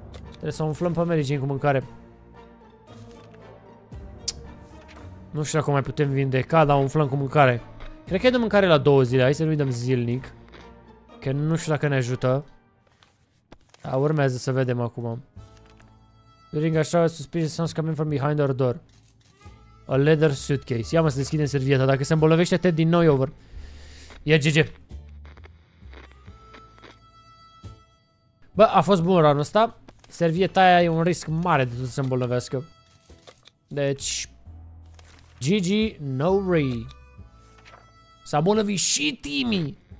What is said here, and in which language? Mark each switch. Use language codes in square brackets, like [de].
[ro] Trebuie să umflăm pe Mary Jane cu mâncare. Nu știu dacă mai putem vindeca, dar umflăm cu mâncare. Cred că e de mâncare la 2 zile, hai să nu-i dăm zilnic. Că nu știu dacă ne ajută. Dar urmează să vedem acum. [en] During a shower, suspicious sounds coming from behind our door. A leather suitcase. [ro] Ia mă să deschidem servieta, dacă se îmbolnăvește Ted din nou, over. Ia GG. Bă, a fost bun run-ul ăsta. Servieta aia e un risc mare de tot să se îmbolnăvească. Deci... GG, no re. S-a îmbolnăvit și Timmy.